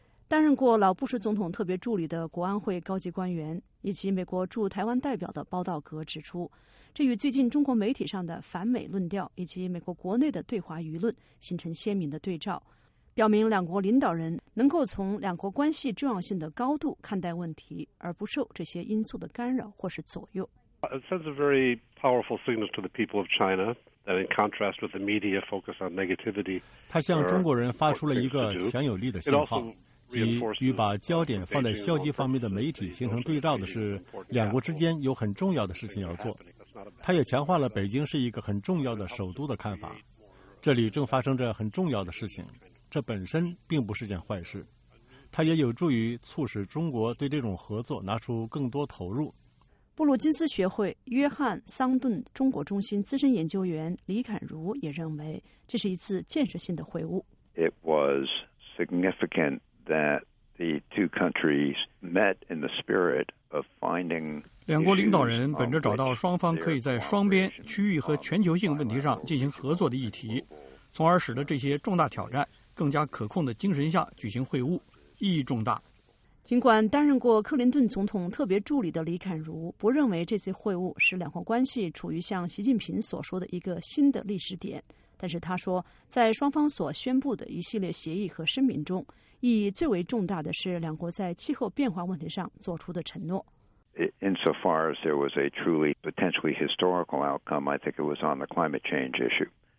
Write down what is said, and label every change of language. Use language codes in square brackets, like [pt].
[zh] 担任过老布什总统特别助理的国安会高级官员以及美国驻台湾代表的包道格指出，这与最近中国媒体上的反美论调以及美国国内的对华舆论形成鲜明的对照，表明两国领导人能够从两国关系重要性的高度看待问题，而不受这些因素的干扰或是左右。 [en] It sends a very powerful signal to the people of China that, in contrast with the media focus on negativity, [zh] 它向中国人发出了一个强有力的信号，即与把焦点放在消极方面的媒体形成对照的是，两国之间有很重要的事情要做。它也强化了北京是一个很重要的首都的看法，这里正发生着很重要的事情。这本身并不是件坏事，它也有助于促使中国对这种合作拿出更多投入。布鲁金斯学会约翰·桑顿中国中心资深研究员李侃如也认为，这是一次建设性的会晤。 [en] It was significant that the two countries met in the spirit of finding. [zh] 两国领导人本着找到双方可以在双边、区域和全球性问题上进行合作的议题，从而使得这些重大挑战更加可控的精神下举行会晤，意义重大。尽管担任过克林顿总统特别助理的李侃如不认为这次会晤使两国关系处于像习近平所说的一个新的历史点，但是他说，在双方所宣布的一系列协议和声明中，意义最为重大的是两国在气候变化问题上做出的承诺。 [en] Insofar as there was a truly potentially historical outcome, I think it was on the climate change issue.